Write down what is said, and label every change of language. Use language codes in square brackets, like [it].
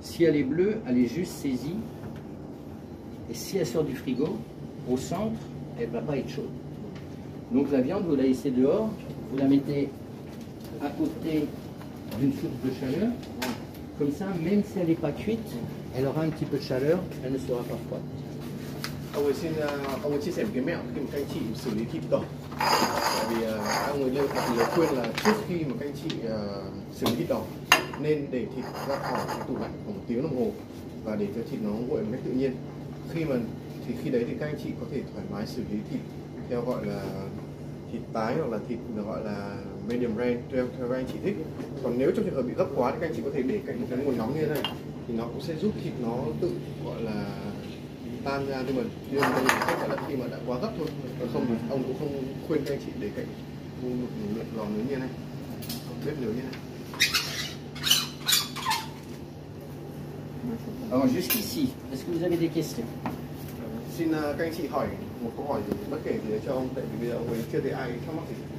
[fr] Si elle est bleue, elle est juste saisie, et si elle sort du frigo, au centre, elle ne va pas être chaude. Donc la viande, vous la laissez dehors. Vous la mettez à côté d'une source de chaleur, comme ça, même si elle n'est pas cuite, elle aura un petit peu de chaleur, elle ne sera pas froide. [vi] Ông ấy chia sẻ một cái mẹo khi mà các anh chị xử lý thịt đỏ. vì người lên thì khuyên là trước khi mà các anh chị xử lý thịt đỏ nên để thịt ra khỏi tủ lạnh khoảng 1 tiếng đồng hồ và để cho thịt nó nguội một cách tự nhiên. Khi đấy thì các anh chị có thể thoải mái xử lý thịt theo gọi là thịt tái hoặc là thịt gọi là medium rare theo các anh chị thích. Còn nếu trong trường hợp bị gấp quá thì các anh chị có thể để cạnh một cái nguồn nóng như thế này thì nó cũng sẽ giúp thịt nó tự gọi là tan ra, nhưng mà đương nhiên là chắc là khi mà đã quá gấp thôi. Còn không thì ông cũng không khuyên các anh chị để cạnh một lượng lò nướng như thế này, không bếp nướng như thế này. [fr] Alors jusqu'ici, est-ce que vous avez des questions? [vi] Xin các anh chị hỏi một câu hỏi bất kể gì cho ông, tại vì bây giờ ông ấy chưa thấy ai thắc mắc gì.